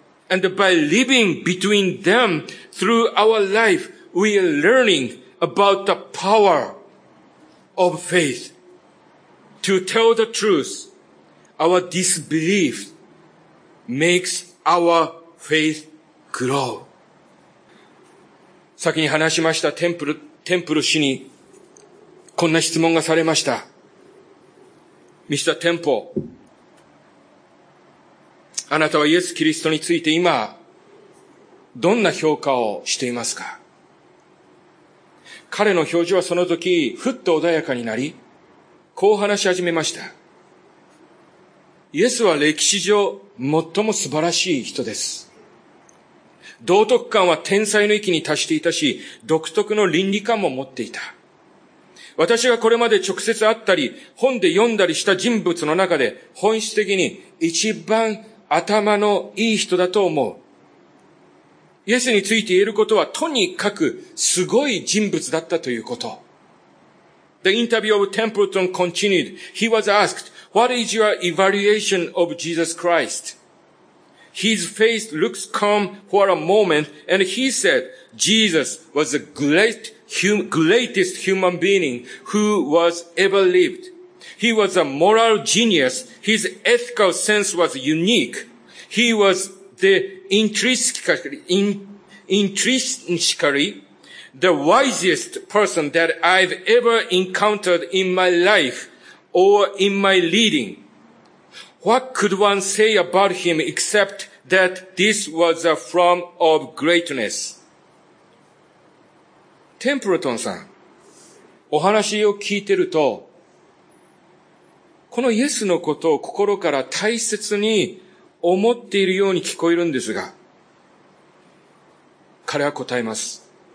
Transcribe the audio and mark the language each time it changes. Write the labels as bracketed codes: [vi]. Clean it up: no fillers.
[en] And by living between them through our life, we are learning about the power of faith. To tell the truth, our disbelief makes our faith grow. [ja] 先に話しましたテンプル氏にこんな質問がされました。 [en] Mr. Temple, [ja] あなたはイエス・キリストについて今、どんな評価をしていますか? 彼の表情はその時、ふっと穏やかになり、こう話し始めました。イエスは歴史上最も素晴らしい人です。道徳観は天才の域に達していたし、独特の倫理観も持っていた。私がこれまで直接会ったり、本で読んだりした人物の中で、本質的に一番頭のいい人だと思う。イエスについて言えることは、とにかくすごい人物だったということ。 [en] The interview of Templeton continued. He was asked, "What is your evaluation of Jesus Christ?" His face looks calm for a moment, and he said, "Jesus was the greatest human being who was ever lived. He was a moral genius. His ethical sense was unique. He was the intrinsically the wisest person that I've ever encountered in my life or in my leading. What could one say about him except that this was a form of greatness?" [ja] テンプルトンさん、お話を聞いてると、このイエスのことを心から大切に思っているように聞こえるんですが、彼は答えます。